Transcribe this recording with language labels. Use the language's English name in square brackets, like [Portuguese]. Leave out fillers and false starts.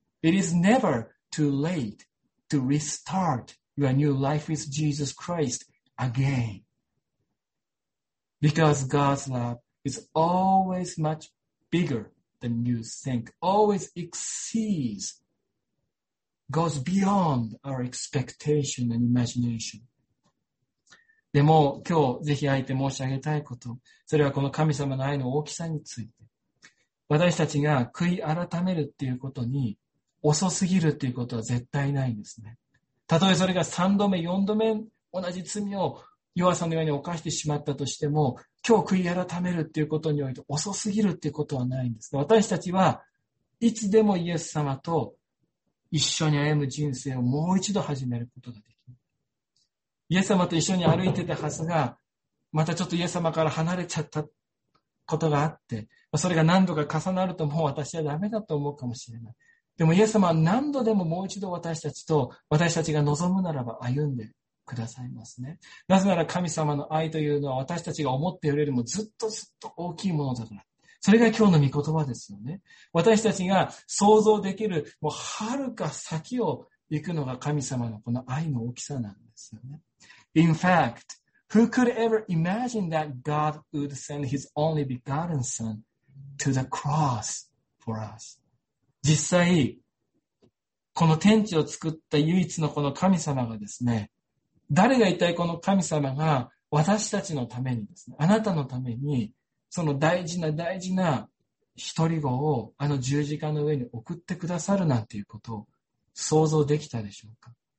[English] It is never too late to restart your new life with Jesus Christ again. Because God's love is always much bigger than you think, always exceeds, goes beyond our expectation and imagination. [Japanese] でも今日ぜひあえて申し上げたいこと、それはこの神様の愛の大きさについて。私たちが悔い改めるっていうことに遅すぎるっていうことは絶対ないんですね。たとえそれが3度目、4度目同じ罪を弱さのように犯してしまったとしても、今日悔い改めるっていうことにおいて遅すぎるっていうことはないんです。私たちはいつでもイエス様と一緒に歩む人生をもう一度始めることができる。イエス様と一緒に歩いてたはずが、またちょっとイエス様から離れちゃったことがあって、それが何度か重なるともう私はダメだと思うかもしれない。でもイエス様は何度でももう一度私たちと、私たちが望むならば歩んでくださいますね。なぜなら神様の愛というのは私たちが思っているよりもずっとずっと大きいものだから。それが今日の御言葉ですよね。私たちが想像できるもうはるか先を行くのが神様のこの愛の大きさなんですよね。 [English] In fact, who could ever imagine that God would send his only begotten son to the cross for us? [Japanese] 実際この天地を作った唯一のこの神様がですね、誰が一体この神様が私たちのためにですね、あなたのためにその大事な大事な一人子をあの十字架の上に送ってくださるなんていうことを想像できたでしょうか。